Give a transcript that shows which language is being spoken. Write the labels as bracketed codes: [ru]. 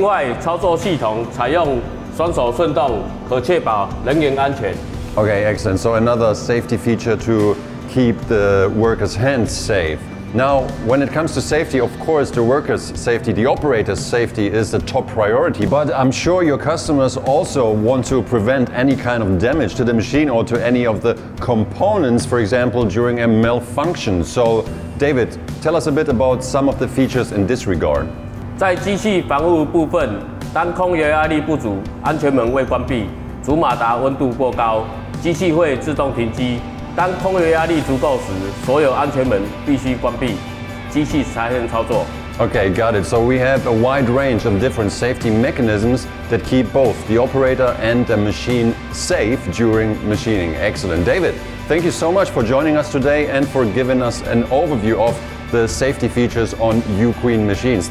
[zh] 机台采用长臂型刹车，在静止状况下防止机器结构滑动造成人员夹伤，避免伤害模具。另外，操作系统采用 双手顺动，可确保人员安全。 [en] Okay, excellent. So another safety feature to keep the workers' hands safe. Now, when it comes to safety, of course, the workers' safety, the operator's safety is the top priority. But I'm sure your customers also want to prevent any kind of damage to the machine or to any of the components, for example, during a malfunction. So, David, tell us a bit about some of the features in this regard. [zh] 在机器防护部分, 当空油压力不足，安全门未关闭，主马达温度过高，机器会自动停机。当空油压力足够时，所有安全门必须关闭，机器才能操作。 [en] Okay, got it. So we have a wide range of different safety mechanisms that keep both the operator and the machine safe during machining. Excellent. David, thank you so much for joining us today and for giving us an overview of the safety features on Uqueen machines.